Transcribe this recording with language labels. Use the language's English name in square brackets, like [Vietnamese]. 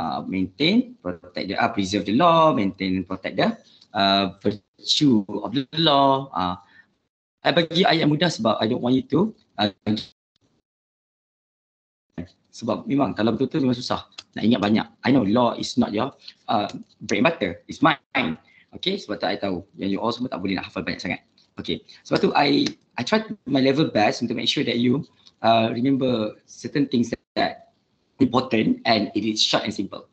[English] Maintain, protect the, preserve the law, maintain and protect the virtue of the law. [Malay] I bagi ayat mudah sebab [English] I don't want you to [Malay] Sebab memang kalau betul-betul memang susah nak ingat banyak. [English] I know law is not your bread and butter, it's mine. [Malay] Okay, sebab tu I tahu yang you all semua tak boleh nak hafal banyak sangat. [English] Okay, [Malay] sebab tu [English] I try my level best [Malay] untuk [English] make sure that you remember certain things that important and it is short and simple.